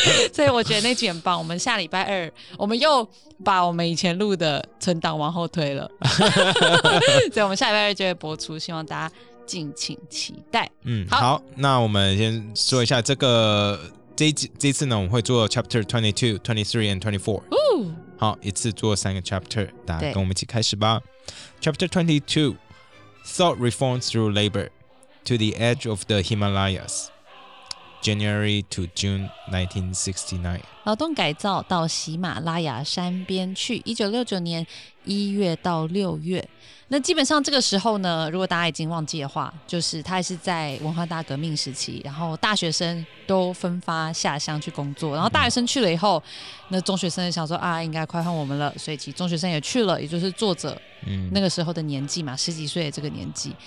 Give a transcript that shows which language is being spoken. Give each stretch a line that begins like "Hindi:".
Chinese: 所以我觉得那集很棒。我们下礼拜二，我们又把我们以前录的存档往后推了。所以我们下礼拜二就会播出，希望大家敬请期待。好，那我们先说一下这个这次呢，我们会做
English: chapter 22, 23 and 24。
Chinese: 好，一次做三个 chapter， 大家跟我们一起开始吧。
English: Chapter 22。 Thought reform through labor to the edge of the Himalayas, January to June 1969.
Chinese: 劳动改造到喜马拉雅山边去，1969年1月到6月。那基本上这个时候呢，如果大家已经忘记的话，就是他还是在文化大革命时期，然后大学生都分发下乡去工作，然后大学生去了以后，那中学生想说啊，应该快换我们了，所以其实中学生也去了，也就是作者那个时候的年纪嘛，十几岁的这个年纪，